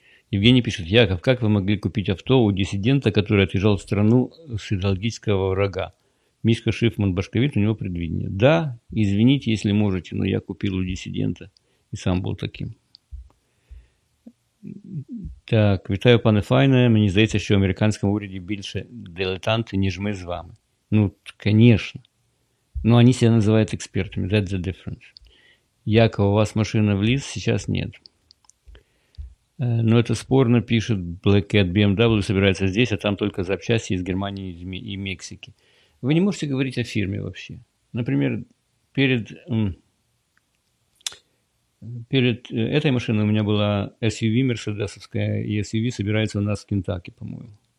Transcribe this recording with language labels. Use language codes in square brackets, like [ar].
[ru] Евгений пишет, Яков, как вы могли купить авто у диссидента, который отъезжал в страну с идеологического врага? Мишка Шифман Башковит, у него предвидение. Да, извините, если можете, но я купил у диссидента и сам был таким. [uk] Так, вітаю, пане Файне, мені здається, що в американському уряді більше дилетанти, ніж ми з вами. [ru] Ну, конечно. Но они себя называют экспертами. [en] That's the difference. [ru] Яков, у вас машина в лиз? Сейчас нет. Но это спорно, пишет Black Cat BMW, собирается здесь, а там только запчасти из Германии и Мексики. Вы не можете говорить о фирме вообще. Например, перед этой машиной у меня была SUV мерседесовская, и SUV собирается у нас в Кентаки, по-моему.